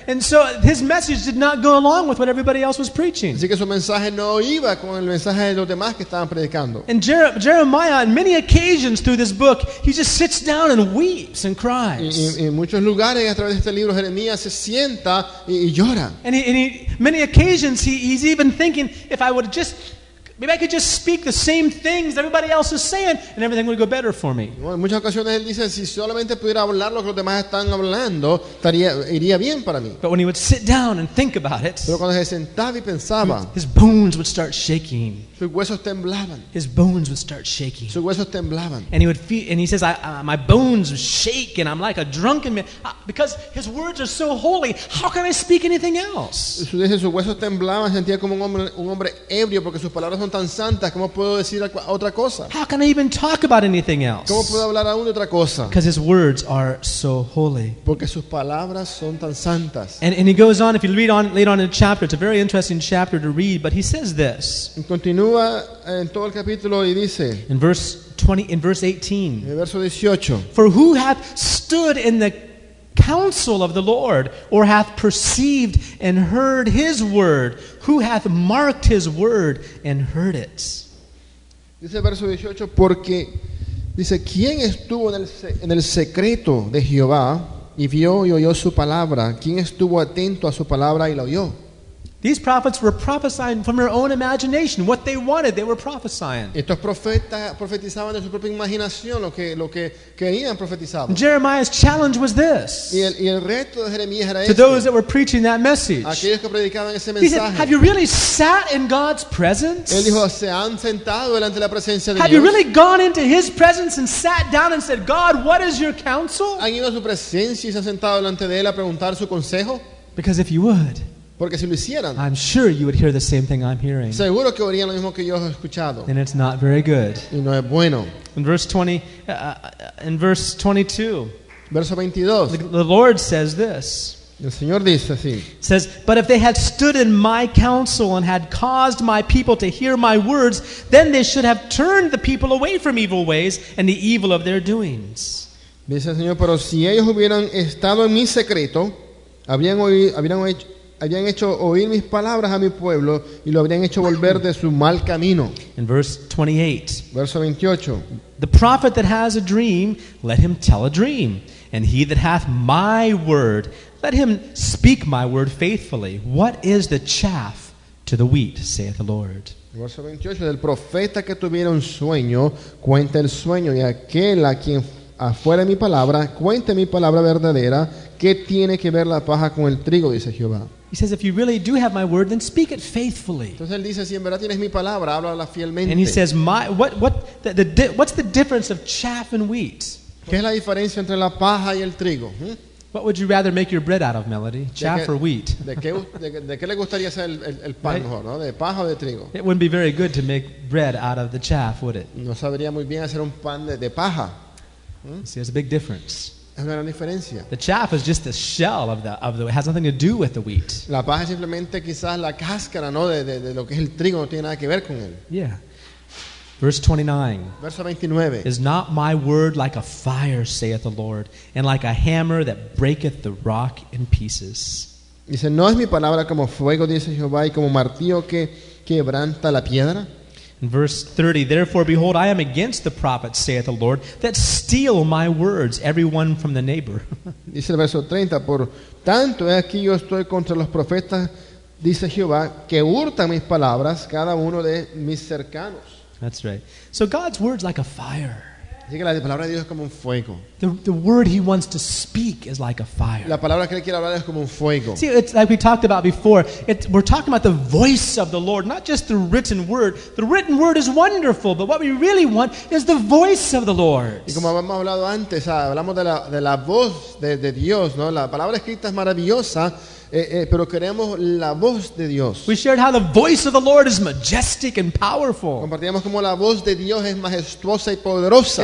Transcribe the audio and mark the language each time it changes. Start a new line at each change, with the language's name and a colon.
English: And so his message did not go along with what everybody else was preaching.
Spanish: Así que su mensaje no iba con el mensaje de los demás que estaban predicando.
English: And Jeremiah, on many occasions through this book, he just sits down and weeps and cries.
Spanish: Y en muchos lugares a través de este libro Jeremías se sienta y llora.
English: And he, many occasions he's even thinking, if I would just, maybe I could just speak the same things everybody else is saying and everything would go better for me.
Spanish: Bueno, en muchas ocasiones él dice, si solamente pudiera hablar lo que los demás están hablando, iría bien para mí.
English: But when he would sit down and think about it,
Spanish: pero cuando se sentaba y pensaba,
English: his bones would start shaking.
Spanish: Sus huesos temblaban.
English: His bones would start shaking.
Spanish: Sus huesos temblaban.
English: And he would feel, and he says, my bones shake and I'm like a drunken man. Because his words are so holy, how can I speak anything else?
Spanish: Sus huesos temblaban, sentía como un hombre ebrio porque sus palabras son tan santas, ¿cómo puedo decir otra cosa?
English: How can I even talk about anything else?
Spanish: ¿Cómo puedo hablar aún de otra cosa?
English: Because his words are so holy.
Spanish: Porque sus palabras son tan santas.
English: And he goes on, if you read on later on in the chapter, it's a very interesting chapter to read, but he says this.
Spanish: Continúa en todo el capítulo y dice,
English: in verse 18, for who hath stood in the counsel of the Lord, or hath perceived and heard his word? Who hath marked his word and heard it?
Spanish: Dice verso 18, porque dice, ¿quién estuvo en el secreto de Jehová y vio y oyó su palabra? ¿Quién estuvo atento a su palabra y la oyó?
English: These prophets were prophesying from their own imagination. What they wanted, they were prophesying.
Spanish: Estos profetas profetizaban de su propia imaginación lo que querían profetizar.
English: Jeremiah's challenge was this.
Spanish: Y el reto de Jeremías era
English: to those that were preaching that message.
Spanish: Aquellos que predicaban ese mensaje.
English: He said, have you really sat in God's presence?
Spanish: Él dijo, ¿se han sentado delante de la presencia de Dios?
English: Have you really gone into his presence and sat down and said, God, what is your counsel?
Spanish: ¿Han ido a su presencia y se han sentado delante de él a preguntar su consejo?
English: Because if you would,
Spanish: Porque si lo hicieran,
English: I'm sure you would hear the same thing I'm hearing.
Spanish: Seguro que oirían lo mismo que yo he escuchado.
English: And it's not very good.
Spanish: Y no es bueno.
English: In verse 22, the Lord says this.
Spanish: El Señor dice así.
English: Says, but if they had stood in my counsel and had caused my people to hear my words, then they should have turned the people away from evil ways and the evil of their doings.
Spanish: Dice el Señor, pero si ellos hubieran estado en mi secreto, habían hecho oír mis palabras a mi pueblo y lo habrían hecho volver de su mal camino.
English: In verse 28. The prophet that has a dream, let him tell a dream. And he that hath my word, let him speak my word faithfully. What is the chaff to the wheat, saith the Lord?
Spanish: Verso 28. Del profeta que tuviera un sueño, cuente el sueño. Y aquel a quien afuera mi palabra, cuente mi palabra verdadera. ¿Qué tiene que ver la paja con el trigo? Dice Jehová.
English: He says, if you really do have my word, then speak it faithfully.
Spanish: Entonces él dice, si en verdad tienes mi palabra, háblala fielmente.
English: And he says, what's the difference of chaff and wheat?
Spanish: ¿Qué es la diferencia entre la paja y el trigo?
English: What would you rather make your bread out of, Melody? Chaff
Spanish: que,
English: or wheat?
Spanish: ¿De qué le gustaría hacer el pan, right? Mejor, ¿no? ¿De paja o de trigo?
English: It wouldn't be very good to make bread out of the chaff, would it?
Spanish: No sabría muy bien hacer un pan de paja.
English: See, there's a big difference.
Spanish: Es una gran diferencia.
English: The chaff is just the shell of the it has nothing to do with the wheat.
Spanish: La paja es simplemente quizás la cáscara, ¿no? De lo que es el trigo, no tiene nada que ver con él.
English: Yeah. Verse 29. Is not my word like a fire, saith the Lord, and like a hammer that breaketh the rock in pieces?
Spanish: Dice, no es mi palabra como fuego, dice Jehová, y como martillo que quebranta la piedra.
English: In verse 30, therefore, behold, I am against the prophets, saith the Lord, that steal my words, every one from the neighbor.
Spanish: Dice el verso 30, por tanto, aquí yo estoy contra los profetas, dice Jehová, que hurtan mis palabras, cada uno de mis cercanos.
English: That's right. So God's word's like a fire.
Spanish: Así que la palabra de Dios es como un fuego.
English: The word he wants to speak is like a fire.
Spanish: La palabra que él quiere hablar es como un fuego.
English: See, it's like we talked about before. We're talking about the voice of the Lord, not just the written word. The written word is wonderful, but what we really want is the voice of the Lord.
Spanish: Y como hemos hablado antes, hablamos de la voz de Dios, ¿no? La palabra escrita es maravillosa. Pero queremos la voz de Dios.
English: We shared how the voice of the Lord is majestic and powerful.
Spanish: Compartíamos cómo la voz de Dios es majestuosa y poderosa.